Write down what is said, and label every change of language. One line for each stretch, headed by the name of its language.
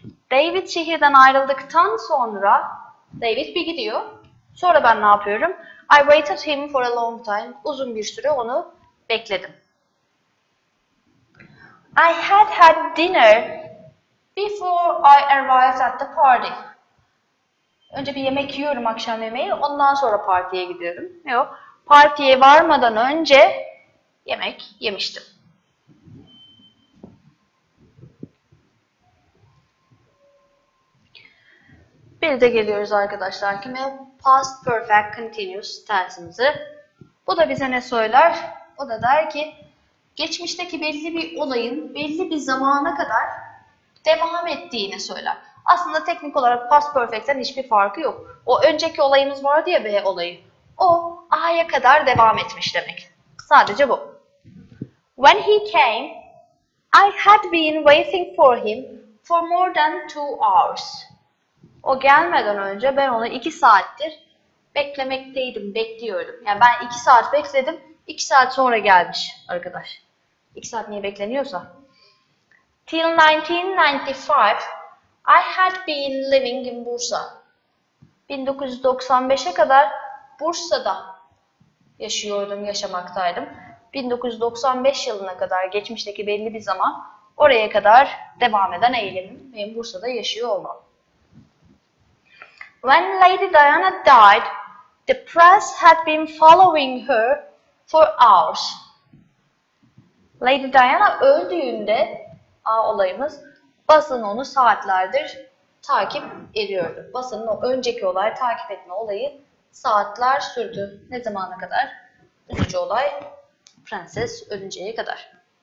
Turkish: David şehirden ayrıldıktan sonra, David bir gidiyor. Sonra ben ne yapıyorum?
English: I waited him for a long time.
Turkish: Uzun bir süre onu bekledim.
English: I had had dinner before I arrived at the party.
Turkish: Önce bir yemek yiyorum akşam yemeği, ondan sonra partiye gidiyorum. Yok, partiye varmadan önce yemek yemiştim. Bir de geliyoruz arkadaşlar kime? Past Perfect Continuous tense'imize. Bu da bize ne söyler? O da der ki geçmişteki belli bir olayın belli bir zamana kadar devam ettiğini söyler. Aslında teknik olarak past perfect'ten hiçbir farkı yok. O önceki olayımız vardı ya, B olayı. O A'ya kadar devam etmiş demek. Sadece bu.
English: When he came, I had been waiting for him for more than 2 hours.
Turkish: O gelmeden önce ben onu 2 saattir beklemekteydim, bekliyordum. Yani ben 2 saat bekledim, 2 saat sonra gelmiş arkadaş. 2 saat niye bekleniyorsa.
English: Till 1995, I had been living in Bursa.
Turkish: 1995'e kadar Bursa'da yaşıyordum, yaşamaktaydım. 1995 yılına kadar, geçmişteki belli bir zaman, oraya kadar devam eden eylemim benim Bursa'da yaşıyor olmam.
English: When Lady Diana died, the press had been following her for hours.
Turkish: Lady Diana öldüğünde, A olayımız, basın onu saatlerdir takip ediyordu. Basının o önceki olay, takip etme olayı saatler sürdü. Ne zamana kadar? Üçüncü olay, prenses ölünceye kadar.